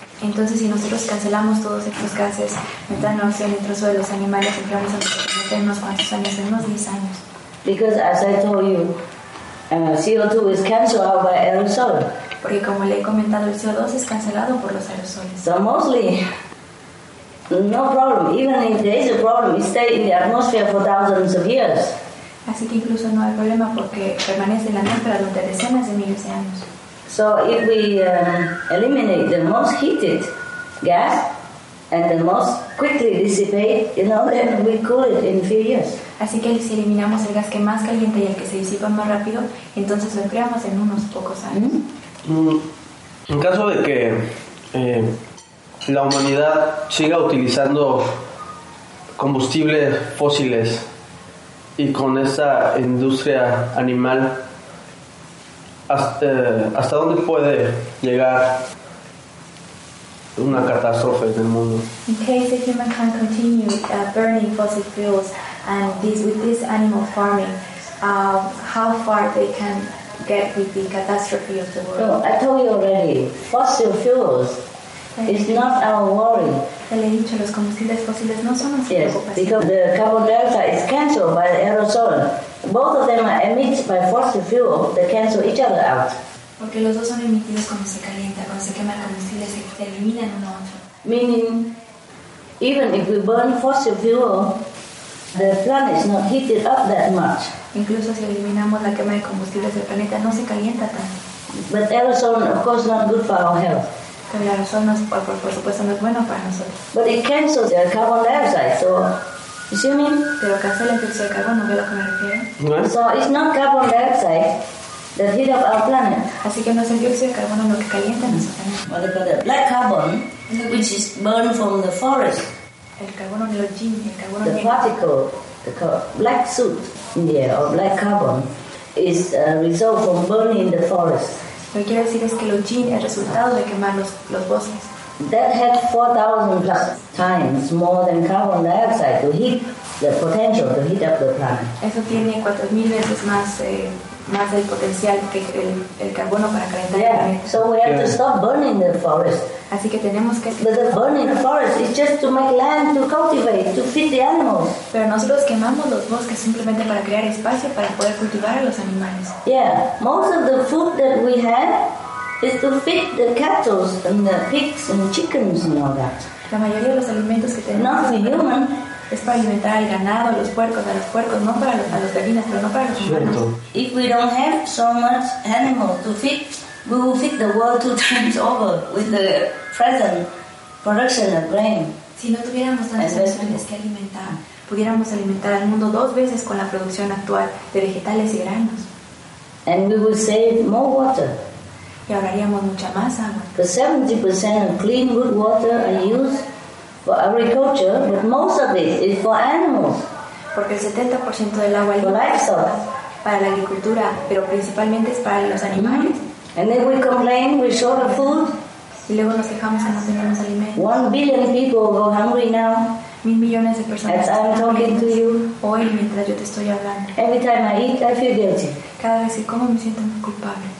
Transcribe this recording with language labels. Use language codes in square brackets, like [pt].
[es] Entonces, si nosotros cancelamos todos estos gases, metano, oxígeno, nitroso de los animales, empezamos a meter unos cuantos años, en unos 10 años. [en] Because as I told you, CO2 is cancelled out by aerosol. [es] Porque como le he comentado, el CO2 es cancelado por los aerosoles. [en] So mostly, no problem. Even if there is a problem, it stays in the atmosphere for thousands of years. [es] Así que incluso no hay problema porque permanece en la atmósfera durante decenas de miles de años. [en] So if we eliminate the most heated gas and the most quickly dissipate, you know, then we cool it in a few years. [es] Así que si eliminamos el gas que más caliente y el que se disipa más rápido, entonces lo empleamos en unos pocos años. En caso de que la humanidad siga utilizando combustibles fósiles y con esa industria animal, ¿hasta dónde puede llegar una catástrofe en el mundo? [en] In case the human can continue burning fossil fuels and with this animal farming, how far they can get with the catastrophe of the world? No, I told you already, fossil fuels is not our worry. [es] Le he dicho, los combustibles fósiles no son nuestra preocupación. [en] Because the carbon dioxide is cancelled by the aerosol. Both of them are emitted by fossil fuel. They cancel each other out. [es] Porque los dos son emitidos cuando se calienta, cuando se quema el combustible, se eliminan uno a otro. [en] Meaning, even if we burn fossil fuel, the planet is not heated up that much. [es] Incluso si eliminamos la quema de combustibles del planeta, no se calienta tanto. [en] But aerosol, of course, not good for our health. [es] Pero el aerosol, por supuesto, no es bueno para nosotros. [en] But it cancels the carbon dioxide, so... You see what I mean? [es] Pero cancela el dióxido de carbono, ¿ve lo que me refiero? No. [en] So it's not carbon dioxide that heat up our planet. [es] Así que no es el dióxido de carbono lo que calienta nuestro planeta. [en] What they call the black carbon, which is burned from the forest. [es] El carbono de los jeans, el carbono [en] the Particle, the black soot in the air, or black carbon, is a result from burning the forest. [es] Lo que quiero decir es que los jeans es resultado de quemar los bosques. [en] That had 4,000 plus times more than carbon dioxide to heat the potential to heat up the planet. [es] Eso tiene 4,000 veces más más el potencial que el carbono para calentar [en] yeah. [es] el planeta. [en] So we have to stop burning the forest. [es] Así que tenemos que... [en] But the burning forest is just to make land to cultivate, to feed the animals. [es] Pero nosotros quemamos los bosques simplemente para crear espacio para poder cultivar a los animales. [en] Yeah, most of the food that we have is to feed the cattle and the pigs and chickens and all that. [es] La mayoría de los alimentos que tenemos... [en] Not the human. [es] Es para alimentar al ganado, a los puercos, no para los, a las gallinas, pero no para los humanos. [en] If we don't have so much animal to feed, we will feed the world 2 times over with the present production of grain. [es] Si no tuviéramos tantos animales que alimentar, pudiéramos alimentar al mundo 2 veces con la producción actual de vegetales y granos. [en] And we will save more water. [es] y ahorraríamos mucha más agua. [en] Because 70% of clean good water are used for agriculture, but most of it is for animals. [es] Porque el 70% del agua es para la agricultura, pero principalmente es para los animales. [en] And then we complain we're short of food. [es] Y luego nos quejamos que no tenemos alimentos. [en] 1 billion people go hungry now. [es] 1,000,000,000 de personas. [en] As I'm talking to you. [es] Hoy, mientras yo te estoy hablando. [en] Every time I eat, I feel guilty. [es] Cada vez que como me siento muy culpable.